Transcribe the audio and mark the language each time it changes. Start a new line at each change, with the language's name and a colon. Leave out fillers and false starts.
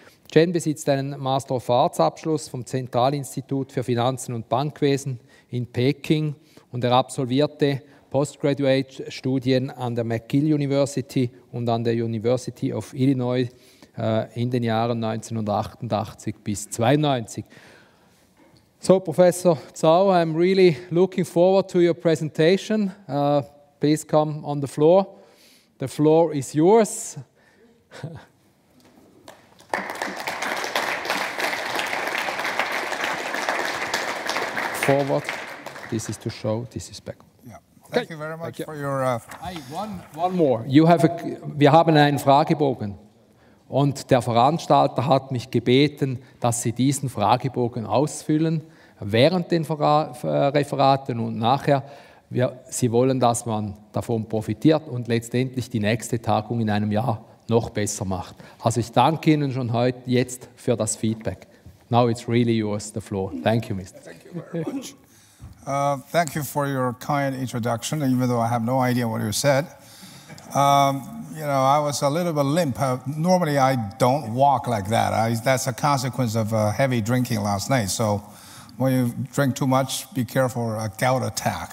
German: Chen besitzt einen Master of Arts Abschluss vom Zentralinstitut für Finanzen und Bankwesen in Peking und er absolvierte Postgraduate Studien an der McGill University und an der University of Illinois in den Jahren 1988 bis 92.
English: So, Professor Zhao, I'm really looking forward to your presentation. Please come on the floor. The floor is yours. Forward. This is to show. This is back. Yeah. Thank you very much for your. One more.
German: Wir haben einen Fragebogen. Und der Veranstalter hat mich gebeten, dass Sie diesen Fragebogen ausfüllen während den Referaten und nachher. Sie wollen, dass man davon profitiert und letztendlich die nächste Tagung in einem Jahr noch besser macht. Also ich danke Ihnen schon heute jetzt für das Feedback.
English: Now it's really yours, the floor. Thank you, Mr. Thank you very much. Thank you for your kind introduction, even though I have no idea what you said. I was a little bit limp. Normally I don't walk like that. That's a consequence of heavy drinking last night. So when you drink too much, be careful, a gout attack.